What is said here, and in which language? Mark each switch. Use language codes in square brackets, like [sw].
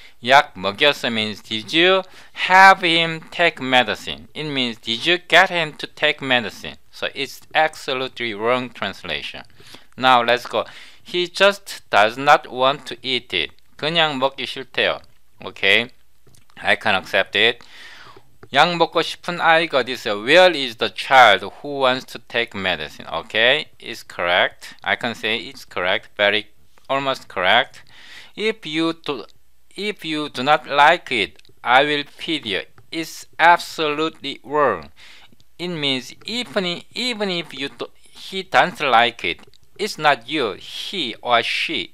[ko] 약 먹였어 [en] means did you have him take medicine? It means did you get him to take medicine? So it's absolutely wrong translation. Now let's go. He just does not want to eat it. [ko] 그냥 먹기 싫대요. [en] Okay. I can accept it. [ko] 약 먹고 싶은 아이가 어디 있어요? [en] Where is the child who wants to take medicine? Okay, it's correct. I can say it's correct. Very, almost correct. If you do not like it, I will feed you. It's absolutely wrong. It means even if he doesn't like it, it's not you, he or she.